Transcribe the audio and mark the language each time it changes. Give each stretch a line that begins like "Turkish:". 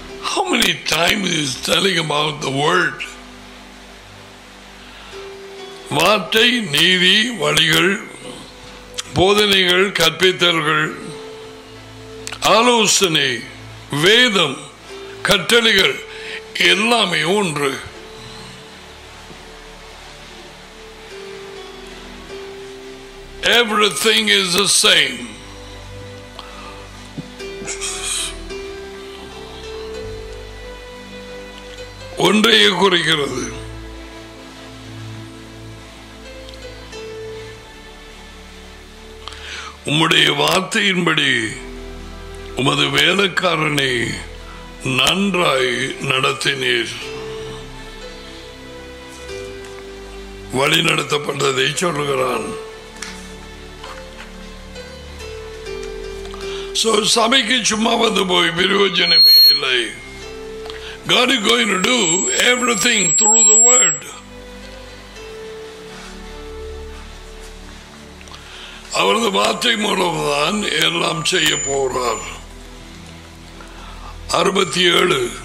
English: How many times is telling about the word?
Tamil: வார்த்தை, நீதி, வழிகள், போதனைகள், கற்பித்தல்கள், ஆலோசனை, வேதம், கட்டளைகள் எல்லாமே ஒன்று.
English: Everything is the same.
Tamil: ஒன்றையே குறிக்கிறது. உம்முடைய வார்த்தையின்படி உமது வேலைக்காரனை நன்றாய் நடத்தினீர். வழி நடத்தப்பட்டதை சொல்கிறான். சோ சபைக்கு சும்மா வந்து போய் பிரயோஜனமே இல்லை.
English: God is going to do everything through the word.
Tamil: அவரது வார்த்தை மூலம்தான் எல்லாம் செய்ய போறார். 67.